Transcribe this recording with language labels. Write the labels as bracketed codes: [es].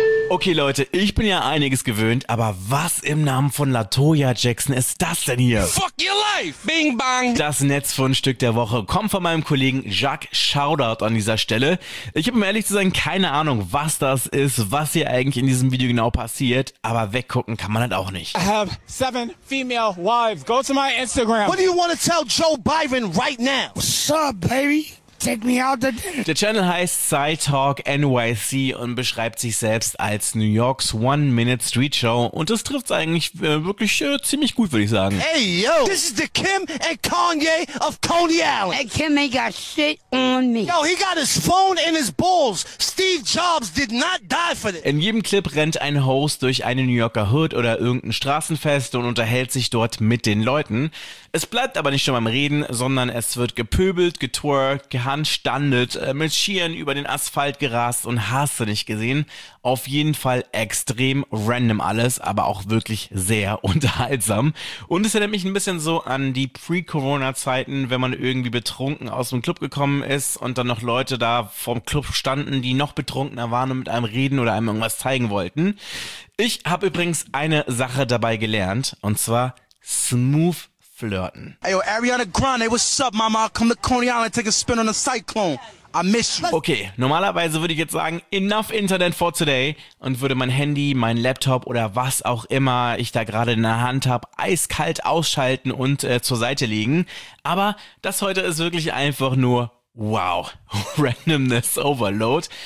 [de] Okay, Leute, ich bin ja einiges gewöhnt, aber was im Namen von LaToya Jackson ist das denn hier? [en] Fuck your life! Bing bang! [de] Das Netzfundstück der Woche kommt von meinem Kollegen Jacques. Shoutout an dieser Stelle. Ich habe, um ehrlich zu sein, keine Ahnung, was das ist, was hier eigentlich in diesem Video genau passiert, aber weggucken kann man halt auch nicht. [en] I have 7 female wives. Go to my Instagram. What do you want to tell Joe Biden right now? What's up, baby? Take me out there. [de] Der Channel heißt Psytalk NYC und beschreibt sich selbst als New Yorks One-Minute-Street-Show. Und das trifft's eigentlich wirklich ziemlich gut, würde ich sagen. [en] Hey, yo! This is the Kim and Kanye of Coney Island. And Kim ain't got shit on me. Yo, he got his phone in his balls. Steve Jobs did not die for this. [de] In jedem Clip rennt ein Host durch eine New Yorker Hood oder irgendein Straßenfest und unterhält sich dort mit den Leuten. Es bleibt aber nicht nur beim Reden, sondern es wird gepöbelt, getwerkt, gehandstandet, mit Skiern über den Asphalt gerast und hast du nicht gesehen. Auf jeden Fall extrem random alles, aber auch wirklich sehr unterhaltsam. Und es erinnert mich ein bisschen so an die Pre-Corona-Zeiten, wenn man irgendwie betrunken aus dem Club gekommen ist und dann noch Leute da vorm Club standen, die noch betrunkener waren und mit einem reden oder einem irgendwas zeigen wollten. Ich habe übrigens eine Sache dabei gelernt, und zwar smooth flirten. [en] Hey, yo, Ariana Grande, what's up, mama? I'll come to Coney Island, take a spin on a cyclone. I miss you. [de] Okay, normalerweise würde ich jetzt sagen, [en] enough Internet for today [de] und würde mein Handy, mein Laptop oder was auch immer ich da gerade in der Hand habe, eiskalt ausschalten und zur Seite legen. Aber das heute ist wirklich einfach nur wow, Randomness Overload.